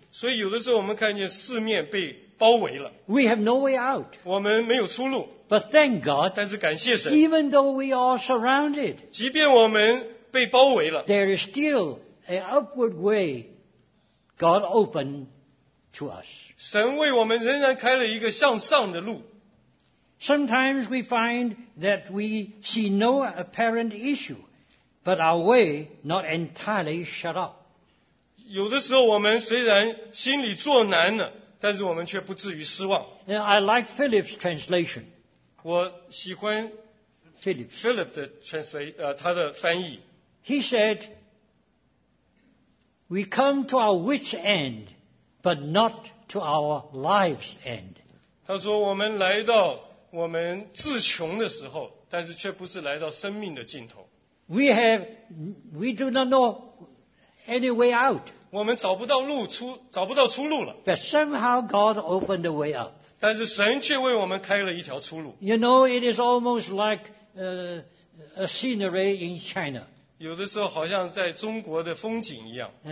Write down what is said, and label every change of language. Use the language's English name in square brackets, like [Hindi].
[Chinese] 所以有的时候我们看见四面被包围了。 [English] We have no way out. [Chinese] 我们没有出路。 [English] But thank God. [Chinese] 但是感谢神。 [English] Even though we are surrounded. [Chinese] 即便我们被包围了。 [English] There is still an upward way God opened to us. [Chinese] 神为我们仍然开了一个向上的路。 [English] Sometimes we find that we see no apparent issue, but our way not entirely shut up. [Chinese] 有的时候我们虽然心里作难了，但是我们却不至于失望。 [English] And I like Philip's translation. [Chinese] 我喜欢 Philip 的传说，他的翻译。 [English] He said, "We come to our wit's end, but not to our life's end." [Chinese] 他说我们来到我们自穷的时候，但是却不是来到生命的尽头。 [English] We do not know any way out. [Chinese] 我们找不到路出，找不到出路了。 [English] But somehow God opened the way up. [Chinese] 但是神却为我们开了一条出路。 [English] You know, it is almost like a scenery in China. [Chinese] 有的时候好像在中国的风景一样。